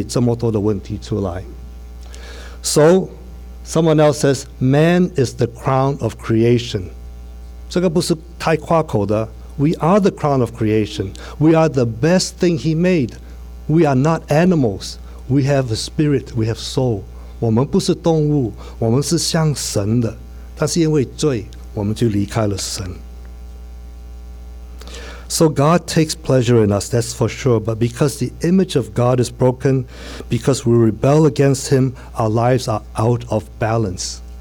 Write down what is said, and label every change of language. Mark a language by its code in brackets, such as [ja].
[zh] 神给我们有爱，有怜悯，有智慧，但是现在他的形状在人里面，因为罪已经破碎了，所以这么多的问题出来。 [en] So, someone else says, man is the crown of creation. [zh] 这个不是太夸口的。 [en] We are the crown of creation. We are the best thing he made. We are not animals. We have a spirit. We have soul. [zh] 我们不是动物，我们是像神的。 [en] So God takes pleasure in us, that's for sure, but because the image of God is broken, because we rebel against him, our lives are out of balance.